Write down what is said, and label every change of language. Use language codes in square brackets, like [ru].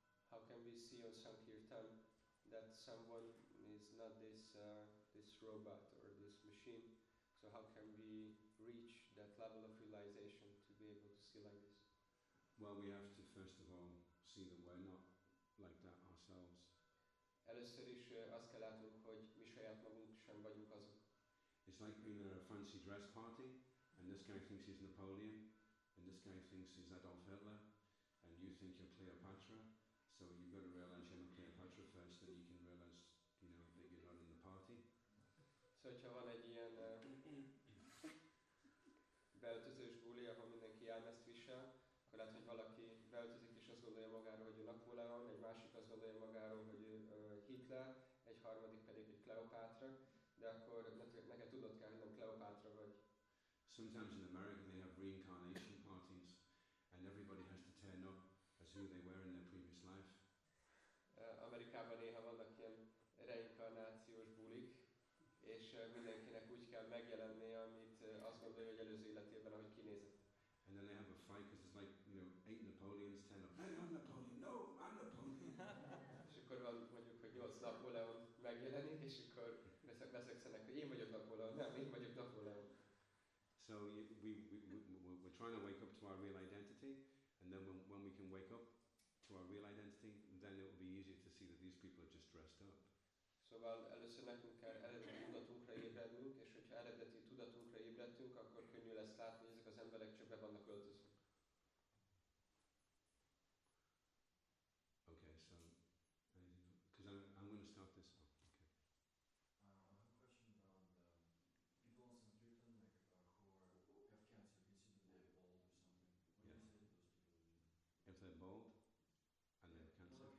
[en] How can we see on Sankirtan that someone is not this this robot or this machine? So how can we reach that level of realization to be able to see like this? Well, we have to first of all see that we're not like that ourselves. [hu] Először is azt kell látnunk, hogy mi saját magunk sem vagyunk azok. [en] It's like being at a fancy dress party, and this guy thinks he's Napoleon, and this guy thinks he's Adolf Hitler, and you think you're Cleopatra. So you've got to realize you're not Cleopatra first, then you can realize, you know, that you're running the party. [hu] So hogyha van egy ilyen beöltözős buli, ahol mindenki elmeszt visel, akkor lehet, hogy valaki beöltözik és azt gondolja magáról, hogy ő Napóleon, egy másik azt gondolja magáról, hogy ő Hitler, egy harmadik pedig, hogy Cleopatra, de akkor neked tudod kell, hogy nem Cleopatra vagy. [en] Sometimes in America they have reincarnation parties, and everybody has to turn up as who they were in their previous life. [hu] Amerikában néha vannak ilyen reinkarnációs bulik, és mindenkinek úgy kell megjelenni, amit azt gondolja, hogy előző életében, ahogy kinézett. [en] And then they have a fight, because it's like, you know, 8 Napoleons, 10 of, I'm Napoleon, no, I'm Napoleon. [hu] És akkor van mondjuk, hogy 8 Napóleon megjelenik, és akkor veszekszenek, hogy én vagyok Napóleon, nem, én vagyok Napóleon. [en] So we're trying to wake up to our real identity, and then when we can wake up to our real identity, then it will be easier to see that these people are just dressed up. [hu] Szóval először nekünk kell eredeti tudatunkra ébrednünk, és hogyha eredeti tudatunkra ébredtünk, akkor könnyű lesz látni, hogy ezek az emberek csak be vannak öltözve. [en] Okay, so, because I'm going to stop this one. They're bald and they have cancer.